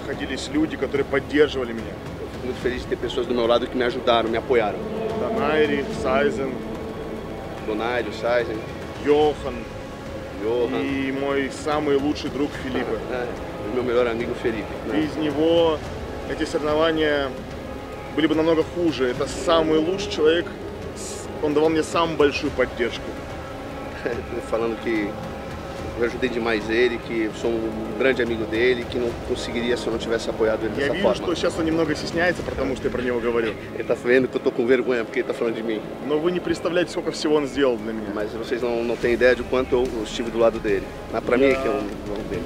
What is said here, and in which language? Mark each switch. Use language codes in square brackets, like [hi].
[ru] есть люди, которые поддерживали меня. [pt] Muito feliz de ter pessoas do meu lado que me ajudaram, me apoiaram. Donaire, Saizen. Donaire, Saizen. Johan. Johan. E meu [ru] самый лучший друг Felipe. [pt] É, meu melhor amigo Felipe. [ru] Без него эти соревнования были бы намного хуже. Это самый лучший человек. Он давал мне самую большую поддержку. [pt] Falando que eu ajudei demais ele, que sou um grande amigo dele, que não conseguiria se eu não tivesse apoiado ele dessa forma. Eu vi que você agora se estranha por tudo que eu falei para ele. Ele está vendo que eu estou com vergonha porque ele está falando de mim. Mas você não [ru] представляет, [pt] quanto ele fez para mim. Mas vocês não têm ideia de quanto eu estive do lado dele. Mas para mim é que é um dele.